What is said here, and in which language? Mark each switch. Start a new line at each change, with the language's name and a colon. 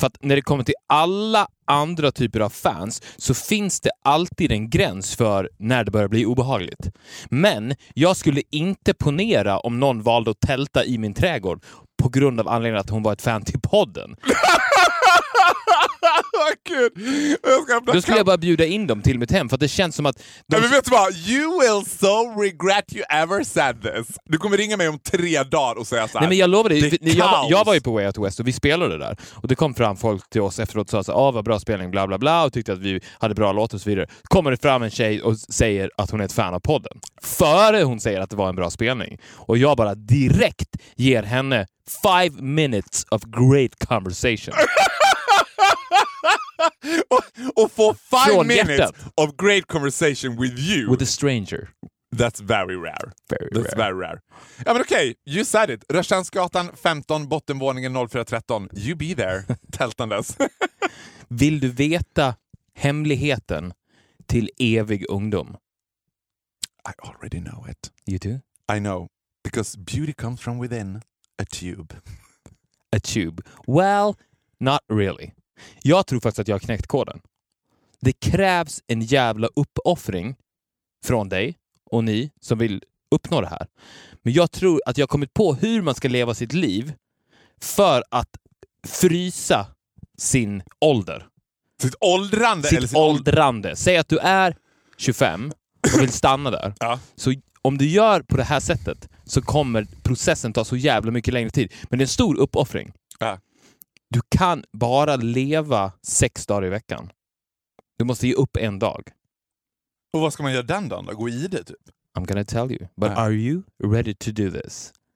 Swedish: För att när det kommer till alla andra typer av fans så finns det alltid en gräns för när det börjar bli obehagligt. Men jag skulle inte ponera om någon valde att tälta i min trädgård på grund av anledningen att hon var ett fan till podden. Vad kul! Skulle jag bara bjuda in dem till mitt hem, för att det känns som att... De... Men vet du vad?
English: You will so regret you ever said this.
Swedish: Du kommer ringa mig om 3 dagar och säga så här: nej, men jag lovar dig. Jag var ju på Way Out West och vi spelade det där. Och det kom fram folk till oss efteråt och sa så här: ah, vad bra spelning, bla bla bla. Och tyckte att vi hade bra låt och så vidare. Kommer det fram en tjej och säger att hon är ett fan av podden. Före hon säger att det var en bra spelning. Och jag bara direkt ger henne
English: 5 minutes of great conversation.
Swedish: Och få
English: 5 minutes of great conversation with you. With a stranger. That's very rare. Very rare.
Swedish: Ja, men okej,
English: okay, you said it.
Swedish: Rörstjärnsgatan 15, bottenvåningen 0413.
English: You be there,
Swedish: tältandes. Vill du veta hemligheten till evig ungdom?
English: I already know it. You do? I know. Because beauty comes from within a tube. A tube. Well, not really.
Swedish: Jag tror faktiskt att jag har knäckt koden. Det krävs en jävla uppoffring från dig och ni som vill uppnå det här. Men jag tror att jag har kommit på hur man ska leva sitt liv för att frysa sin ålder. Sitt åldrande? Sitt, eller sitt åldrande. Säg att du är 25 och vill stanna där. Ja. Så om du gör på det här sättet så kommer processen ta så jävla mycket längre tid. Men det är en stor uppoffring. Ja. Du kan bara leva 6 dagar i veckan. Du måste ge upp en dag. Och vad ska man göra den dagen då? Gå i det typ?
English: I'm gonna tell you. But are you ready to do this?